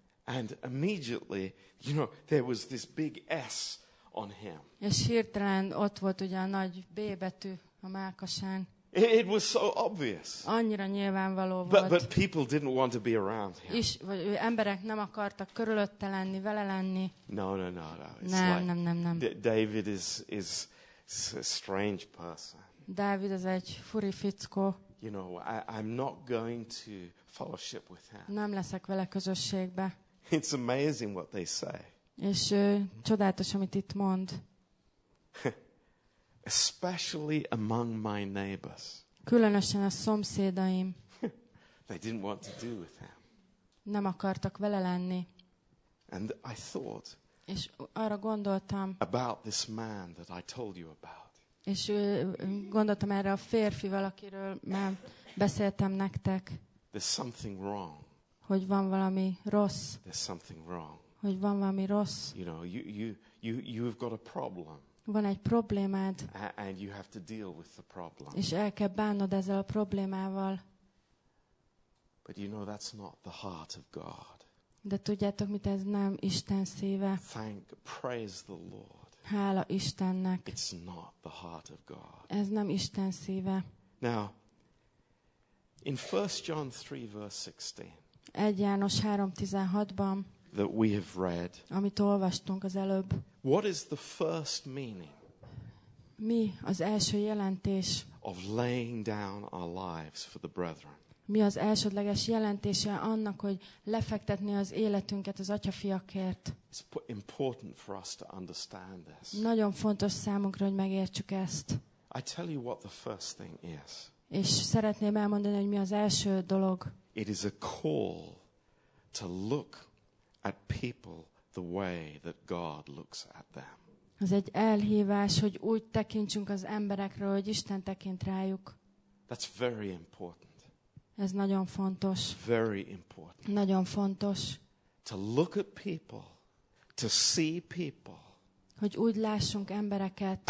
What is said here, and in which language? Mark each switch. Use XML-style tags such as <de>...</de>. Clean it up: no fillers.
<en>And immediately, you know, there was this big S on him.</en> <hu>És hirtelen ott volt ugye a nagy B betű a mellkasán.</hu> <en>It was so obvious.</en> <hu>Annyira nyilvánvaló volt.</hu> <en>But people didn't want to be around him.</en> <hu>És vagy emberek nem akartak körülötte lenni, vele lenni.</hu> <en>No.</en> <hu>Nem.</hu> <en>David is a strange person.</en> <hu>Dávid az egy furi fickó.</hu> <en>You know, I'm not going to fellowship with him.</en> <hu>Nem leszek vele közösségbe.</hu> <en>It's amazing what they say.</en> <hu>És csodálatos, amit itt mond.</hu> <en>Especially among my neighbors.</en> <hu>Különösen a szomszédaim.</hu> <en>They didn't want to do with him.</en> <hu>Nem akartak vele lenni.</hu> <en>And I thought.</en> <hu>És arra gondoltam.</hu> <en>About this man that I told you about.</en> <hu>És gondoltam erre a férfi valakiről, már beszéltem nektek.</hu> <en>There's something wrong.</en> <hu>Hogy van valami rossz.</hu> <en>There's something wrong.</en> <hu>Hogy van valami rossz.</hu> <en>You know, you've got a problem.</en> <hu>Van egy problémád.</hu> <en>And you have to deal with the problem.</en> <hu>És el kell bánnod ezzel a problémával.</hu> <en>But you know that's not the heart of God.</en> <hu>De tudjátok, mit ez nem Isten szíve.</hu> <en>Thank, praise the Lord.</en> <hu>Hála Istennek.</hu> <en>It's not the heart of God.</en> <hu>Ez nem Isten szíve.</hu> <en>Now, in 1 John 3 verse 16.</en> <hu>1 János 3:16-ban.</hu> <en>That we have read.</en> <hu>Amit olvastunk az előbb.</hu> <en>What is the first meaning?</en> <hu>Mi az első jelentés?</hu> <en>Of laying down our lives for the brethren.</en> <hu>Mi az elsődleges jelentése annak, hogy lefektetni az életünket az atyafiakért?</hu> <en>It's important for us to understand this.</en> <hu>Nagyon fontos számunkra, hogy megértsük ezt.</hu> <en>I tell you what the first thing is.</en> <hu>És szeretném elmondani, hogy mi az első dolog.</hu> <en>It is a call to look at people the way that God looks at them.</en> <hu>Az egy elhívás, hogy úgy tekintsünk az emberekre, hogy Isten tekint rájuk.</hu> <en>That's very important.</en> <hu>Ez nagyon fontos.</hu> <en>Very important.</en> <hu>Nagyon fontos.</hu> <en>To look at people, to see people.</en> <hu>Hogy úgy lássunk embereket.</hu>